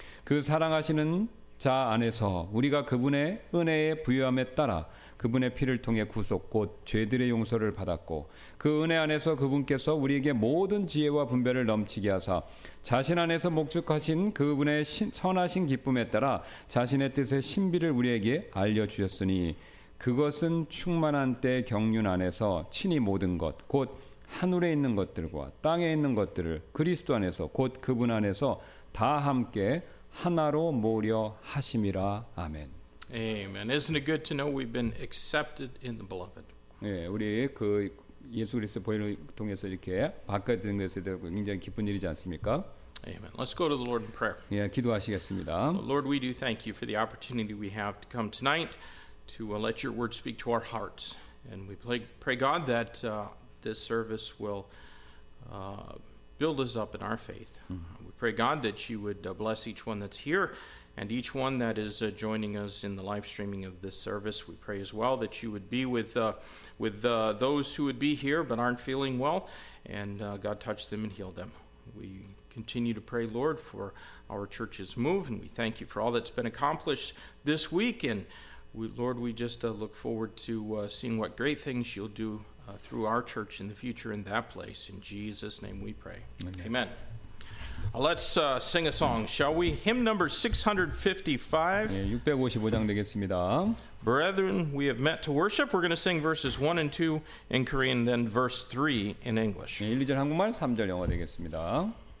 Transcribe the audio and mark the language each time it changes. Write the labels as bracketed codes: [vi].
[ko] 그 사랑하시는 자 안에서 우리가 그분의 은혜의 부요함에 따라 그분의 피를 통해 구속 곧 죄들의 용서를 받았고 그 은혜 안에서 그분께서 우리에게 모든 지혜와 분별을 넘치게 하사 자신 안에서 목적하신 그분의 선하신 기쁨에 따라 자신의 뜻의 신비를 우리에게 알려주셨으니 그것은 충만한 때 경륜 안에서 친히 모든 것 곧 하늘에 있는 것들과 땅에 있는 것들을 그리스도 안에서 곧 그분 안에서 다 함께 하나로 모으려 하심이라. 아멘. [en] Amen. Isn't it good to know we've been accepted in the beloved? [ko] 예, 우리 그 예수 그리스도 보혈을 통해서 이렇게 받게 된 것에 대해서 굉장히 기쁜 일이지 않습니까? [en] Amen. Let's go to the Lord in prayer. [ko] 예, 기도하시겠습니다. [en] Lord, we do thank you for the opportunity we have to come tonight to let your word speak to our hearts. And we pray God that this service will build us up in our faith. We pray God that you would bless each one that's here. And each one that is joining us in the live streaming of this service, we pray as well that you would be with those who would be here but aren't feeling well, and God touch them and heal them. We continue to pray, Lord, for our church's move, and we thank you for all that's been accomplished this week. And we look forward to seeing what great things you'll do through our church in the future in that place. In Jesus' name we pray. Amen. Amen. Let's sing a song, shall we? Hymn number 655. [ko] 655장 되겠습니다. [en] Brethren, we have met to worship. We're going to sing verses 1 and 2 in Korean, then verse 3 in English. [ko] 1절 한국말, 3절 영어 되겠습니다.